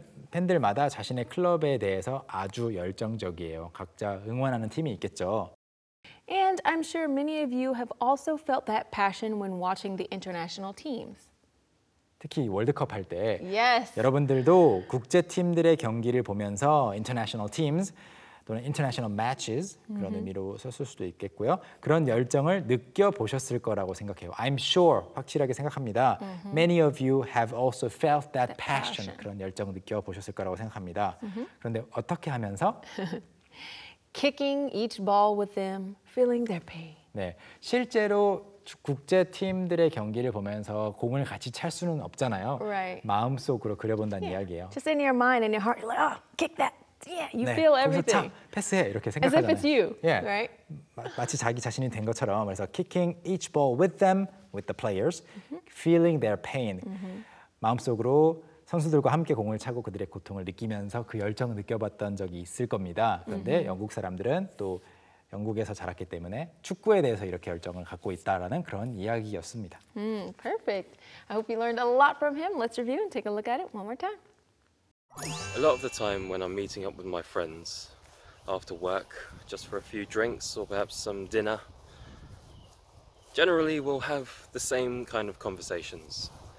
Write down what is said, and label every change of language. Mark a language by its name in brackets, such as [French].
[Korean] 팬들마다 자신의 클럽에 대해서 아주 열정적이에요. 각자 응원하는 팀이 있겠죠. [English] And I'm sure many of you have also felt that passion when watching the international teams. [Korean] 특히 월드컵 할 때 [English] Yes. [Korean] 여러분들도 국제팀들의 경기를 보면서 international teams 또는 international matches 그런 의미로 썼을 수도 있겠고요. 그런 열정을 느껴보셨을 거라고 생각해요. [English] I'm sure, [Korean] 확실하게 생각합니다. Mm-hmm. [English] Many of you have also felt that passion. [Korean] 그런 열정 느껴보셨을 거라고 생각합니다. Mm-hmm. 그런데 어떻게 하면서? [English] Kicking each ball with them, feeling their pain. [Korean] 네, 실제로 국제 팀들의 경기를 보면서 공을 같이 찰 수는 없잖아요. [English] Right. [Korean] 마음속으로 그려본다는 yeah. 이야기예요. [English] Just in your mind and your heart, you're like, oh, kick that. Yeah, you 네, feel everything. [Korean] 차, 패스해 이렇게 생각하잖아요. [English] As if it's you, yeah. right? [Korean] 마치 자기 자신이 된 것처럼 그래서 [English] kicking each ball with them, with the players, [Korean] mm-hmm. [English] feeling their pain. Mm-hmm. [Korean] 마음속으로 선수들과 함께 공을 차고 그들의 고통을 느끼면서 그 열정을 느껴봤던 적이 있을 겁니다. 그런데 mm-hmm. 영국 사람들은 또 영국에서 자랐기 때문에 축구에 대해서 이렇게 열정을 갖고 있다라는 그런 이야기였습니다. [English] Perfect. I hope you learned a lot from him. Let's review and take a look at it one more time. A lot of the time when I'm meeting up with my friends after work, just for a few drinks or perhaps some dinner, generally we'll have the same kind of conversations.